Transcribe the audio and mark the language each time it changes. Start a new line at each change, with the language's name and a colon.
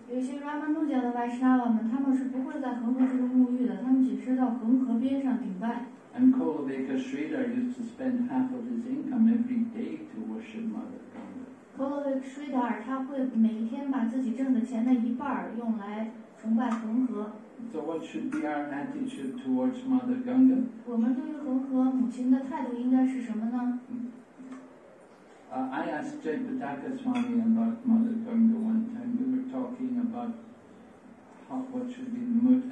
Chinese: 有些 Ramanuja 的 Vaishnava 们，他们是不会在恒河之中沐浴的，他们只是到恒河边上顶拜。
English: And Kolavika Sridhar used to spend half of his income every day to worship Mother Ganga.
Chinese: Kolavika Sridhar 他会每天把自己挣的钱的一半用来崇拜恒河。
English: So what should be our attitude towards Mother Ganga?
Chinese: 我们对于恒河母亲的态度应该是什么呢？
English: I asked Jaipataka Swami about Mother Ganga one time. We were talking about what should be the mood.